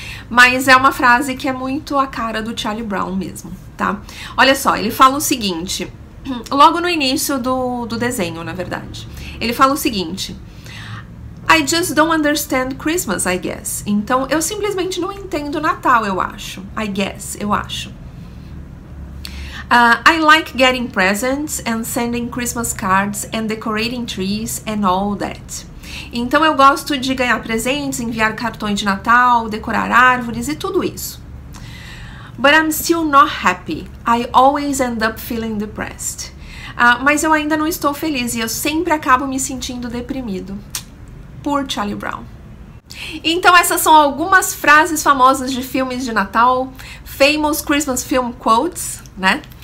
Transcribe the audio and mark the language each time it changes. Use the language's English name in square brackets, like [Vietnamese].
[Portuguese] Mas é uma frase que é muito a cara do Charlie Brown mesmo, tá? Olha só, ele fala o seguinte, logo no início do desenho, na verdade. Ele fala o seguinte: [English] I just don't understand Christmas, I guess. [Portuguese] Então eu simplesmente não entendo Natal, eu acho. [English] I guess, [Portuguese] eu acho. [English] I like getting presents and sending Christmas cards and decorating trees and all that. [Portuguese] Então eu gosto de ganhar presentes, enviar cartões de Natal, decorar árvores e tudo isso. [English] But I'm still not happy. I always end up feeling depressed. [Portuguese] Mas eu ainda não estou feliz e eu sempre acabo me sentindo deprimido. Por Charlie Brown. Então essas são algumas frases famosas de filmes de Natal, [English] famous Christmas film quotes, [Portuguese] né?